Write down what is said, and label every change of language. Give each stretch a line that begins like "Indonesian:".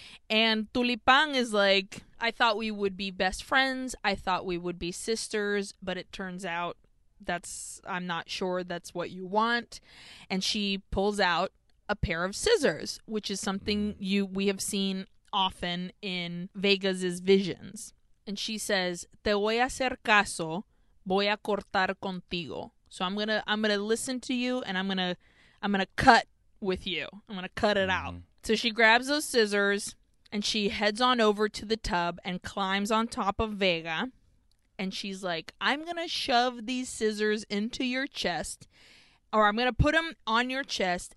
English: And Tulipán is like, I thought we would be best friends. I thought we would be sisters, but it turns out I'm not sure that's what you want. And she pulls out a pair of scissors, which is something we have seen often in Vegas's visions. And she says,
Spanish: te voy a hacer caso, voy a cortar contigo.
English: So I'm gonna listen to you, and I'm gonna cut with you. I'm gonna cut it out. So she grabs those scissors and she heads on over to the tub and climbs on top of Vega. And she's like, I'm going to shove these scissors into your chest, or I'm going to put them on your chest.